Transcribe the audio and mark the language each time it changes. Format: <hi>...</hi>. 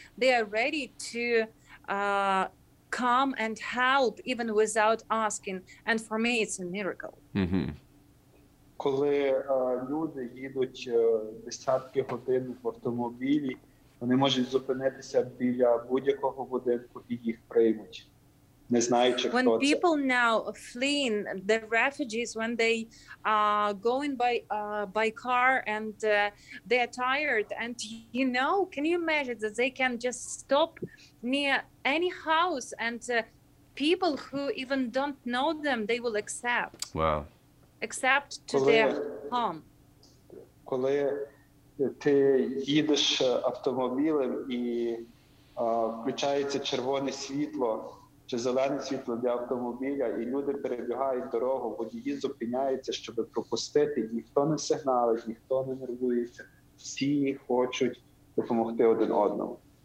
<en>They are ready to come and help even without asking. And for me, it's a miracle. Mm-hmm.</en> <uk>Коли люди їдуть десятки годин в автомобілі, вони можуть зупинитися біля будь-якого будинку і їх приймуть, не знаючи, хто це.</uk> <en>When people now fleeing, the refugees, when they are going by car and they are tired, and you know, can you imagine that they can just stop near any house and people who even don't know them, they will accept. Wow. Except to their home.</en> <uk>Коли ти їдеш автомобілем і включається червоне світло чи зелене світло для автомобіля, і люди перебігають дорогу, водії зупиняються, щоб пропустити, ніхто не сигналить, ніхто не нервується, всі хочуть допомогти один одному.</uk>